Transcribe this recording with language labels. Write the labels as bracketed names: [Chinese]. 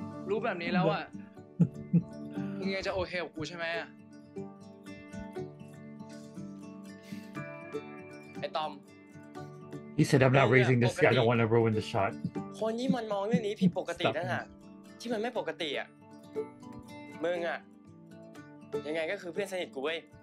[Thai] รู้แบบนี้แล้วอ่ะมึงยังจะโอเคกับกูใช่ไหมอ่ะไอ้ตอม [English] He said I'm not raising this guy. I don't want to ruin the shot. [Thai] คนนี้มันมองเรื่องนี้ผิดปกตินั่นแหละที่มันไม่ปกติอ่ะมึงอ่ะยังไงก็คือเพื่อนสนิทกูเว้ย